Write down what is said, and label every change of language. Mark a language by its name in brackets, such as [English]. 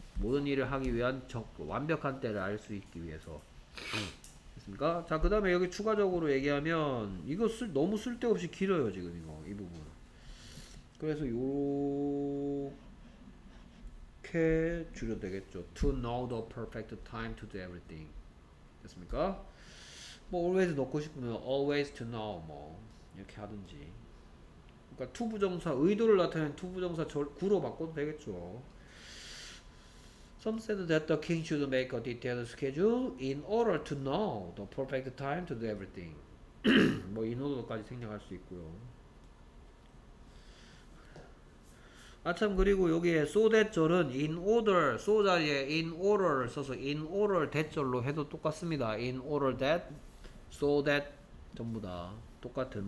[Korean] 모든 일을 하기 위한 완벽한 때를 알수 있기 위해서. 됐습니까? 자, 그 다음에 여기 추가적으로 얘기하면, 이거 너무 쓸데없이 길어요, 지금 이거, 이 부분. 그래서 요렇게 줄여도 되겠죠. [English] To know the perfect time to do everything. [Korean] 됐습니까? 뭐 always 넣고 싶으면 [English] always to know [Korean] 뭐 이렇게 하든지. 그러니까 to 부정사 의도를 나타낸 to 부정사 구로 바꿔도 되겠죠. [English] Some said that the king should make a detailed schedule in order to know the perfect time to do everything. [Korean] 뭐 인호도까지 생략할 수 있고요. 아, 참, 그리고 여기에 so that 절은 in order, so 자리에 in order를 써서 [English] in order that [Korean] 절로 해도 똑같습니다. [English] in order that, so that [Korean] 전부 다 똑같은.